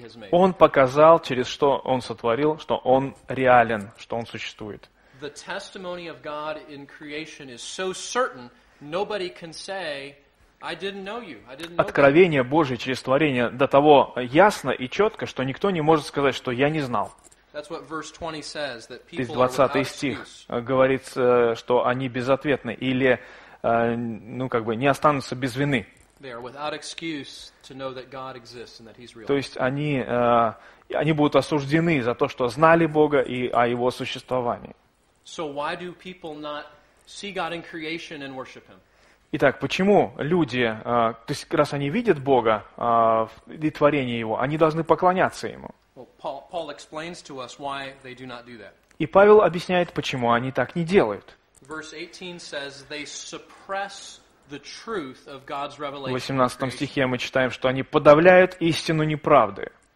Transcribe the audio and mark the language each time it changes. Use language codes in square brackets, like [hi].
[ru] Он показал, через что Он сотворил, что Он реален, что Он существует. [en] The testimony of God in creation is so certain, nobody can say, I didn't know you. I didn't know. [ru] Откровение Божие через творение до того ясно и четко, что никто не может сказать, что я не знал. [en] That's what verse 20 says, that people are without excuse. [ru] 20 стих говорит, что они безответны или, ну, как бы, не останутся без вины. [en] They are without excuse to know that God exists and that He's real. [ru] То есть они будут осуждены за то, что знали Бога и о Его существовании. [en] So why do people not see God in creation and worship Him? [ru] Итак, почему люди, то есть раз они видят Бога и творение Его, они должны поклоняться Ему? [en] Well, Paul explains to us why they do not do that. [ru] И Павел объясняет, почему они так не делают. [en] Verse 18 says they suppress. [ru] В 18 стихе мы читаем, что они подавляют истину неправды.